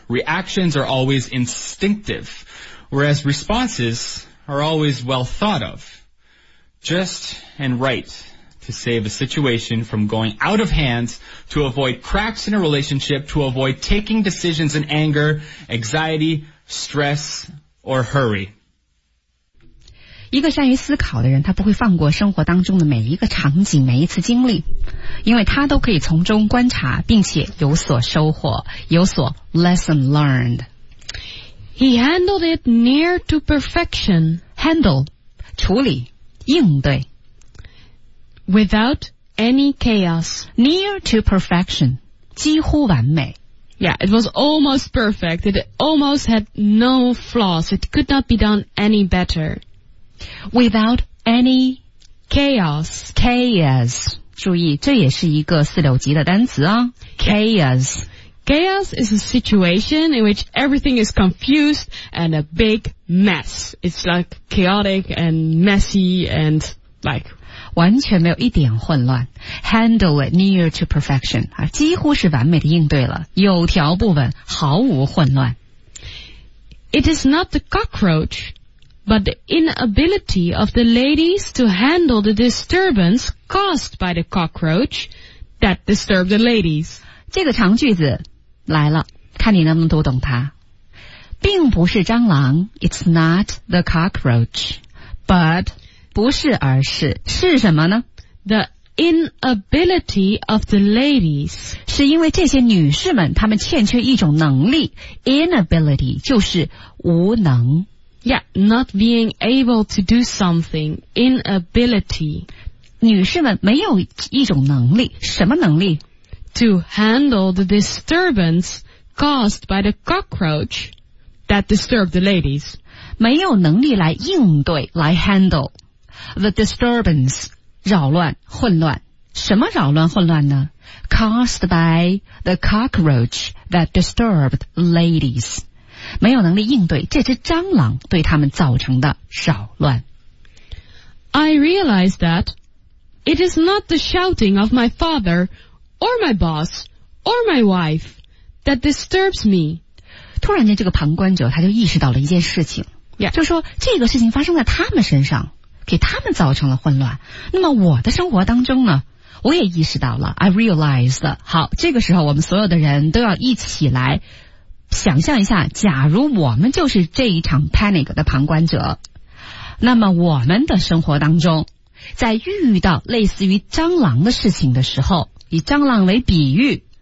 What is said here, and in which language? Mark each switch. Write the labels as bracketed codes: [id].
[en] Reactions are always instinctive, whereas responses are always well thought of. Just and right. To save a situation from going out of hands, to avoid cracks in a relationship, to avoid taking decisions in anger, anxiety, stress, or hurry. [zh] 一个善于思考的人，他不会放过生活当中的每一个场景，每一次经历，因为他都可以从中观察，并且有所收获，有所 [en] lesson learned. He handled it near to perfection. [zh] Handle, 处理，应对。 [en] Without any chaos. Near to perfection. [zh] 几乎完美。 [en] Yeah, it was almost perfect. It almost had no flaws. It could not be done any better. Without any chaos. Chaos. [zh] 注意，这也是一个四六级的单词啊。 [en] Chaos. Chaos is a situation in which everything is confused and a big mess. It's like chaotic and messy and like... [zh] 完全没有一点混乱 [en] handle it near to perfection、 [zh] 啊、几乎是完美的应对了有条不紊毫无混乱 [en] It is not the cockroach but the inability of the ladies to handle the disturbance caused by the cockroach that disturbed the ladies [zh] 这个长句子来了看你能不能读懂它并不是蟑螂 [en] It's not the cockroach but... [zh] 不是而是是什么呢 [en] The inability of the ladies [zh] 是因为这些女士们她们欠缺一种能力 Inability 就是无能 [en] Yeah, not being able to do something Inability [zh] 女士们没有一种能力什么能力 [en] To handle the disturbance caused by the cockroach that disturbed the ladies [zh] 没有能力来应对来 handle [en] The disturbance, [zh] 扰乱混乱。什么扰乱混乱呢? [en] Caused by the cockroach that disturbed ladies. [zh] 没有能力应对这只蟑螂对他们造成的扰乱。 [en] I realize that it is not the shouting of my father or my boss or my wife that disturbs me. [zh] 突然间这个旁观者他就意识到了一件事情。 [en] Yeah. [zh] 就说这个事情发生在他们身上。给他们造成了混乱那么我的生活当中呢我也意识到了 [en] I realized [zh] 好这个时候我们所有的人都要一起来想象一下假如我们就是这一场 panic 的旁观者那么我们的生活当中在遇到类似于蟑螂的事情的时候以蟑螂为比喻、